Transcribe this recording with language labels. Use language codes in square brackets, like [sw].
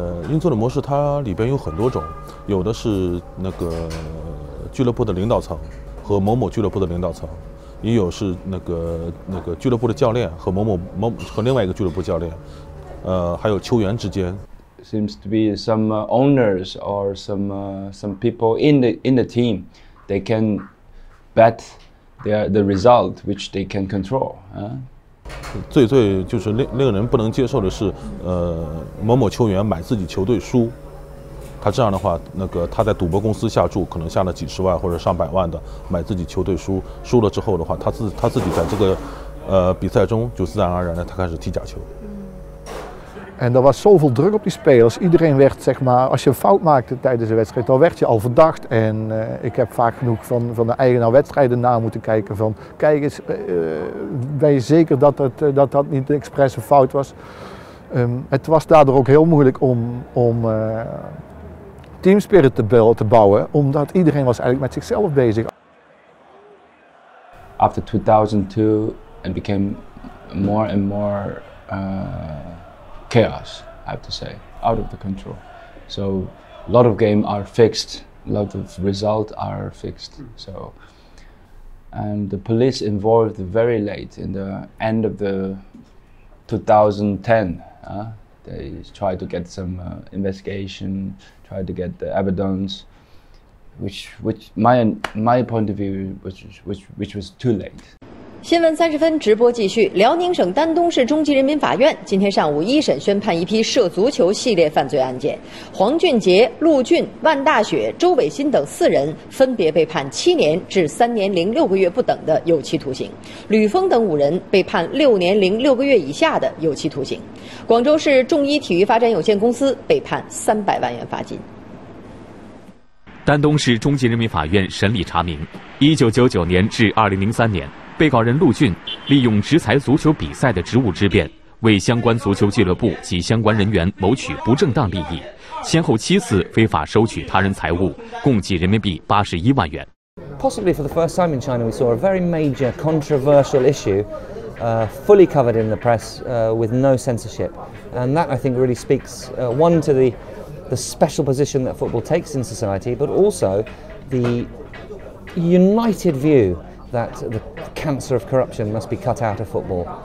[zh] 运作的模式它里边有很多种，有的是那个俱乐部的领导层和某某俱乐部的领导层，也有是那个俱乐部的教练和某和另外一个俱乐部教练，还有球员之间。 [en] Seems to be some owners or some people in the team, they can bet. The result which they can control. [zh] 最最就是令人不能接受的是，某某球员买自己球队输，他这样的话，那个他在赌博公司下注，可能下了几十万或者上百万的买自己球队输，输了之后的话，他自己在这个比赛中就自然而然的他开始踢假球。 [nl] En er was zoveel druk op die spelers. Iedereen werd, zeg maar, als je een fout maakte tijdens de wedstrijd, dan werd je al verdacht. En ik heb vaak genoeg van de eigenaar wedstrijden na moeten kijken. Van, kijk eens, ben je zeker dat niet een expresse fout was? Het was daardoor ook heel moeilijk om teamspirit te bouwen, omdat iedereen was eigenlijk met zichzelf bezig. [en] After 2002, it became more and more... Chaos, I have to say, out of the control. So a lot of games are fixed, a lot of results are fixed. So, and the police involved very late in the end of the 2010. They tried to get some investigation, tried to get the evidence, which my point of view which was too late. [zh] 新闻三十分直播继续。辽宁省丹东市中级人民法院今天上午一审宣判一批涉足球系列犯罪案件，黄俊杰、陆俊、万大雪、周伟新等四人分别被判7年至3年零6个月不等的有期徒刑，吕峰等五人被判6年零6个月以下的有期徒刑，广州市众一体育发展有限公司被判300万元罚金。丹东市中级人民法院审理查明，1999年至2003年，被告人陆俊利用执裁足球比赛的职务之便，为相关足球俱乐部及相关人员谋取不正当利益，先后七次非法收取他人财物，共计人民币81万元。 [en] Possibly for the first time in China, we saw a very major controversial issue, fully covered in the press, with no censorship. And that, I think, really speaks, one, to the special position that football takes in society, but also the united view that the cancer of corruption must be cut out of football.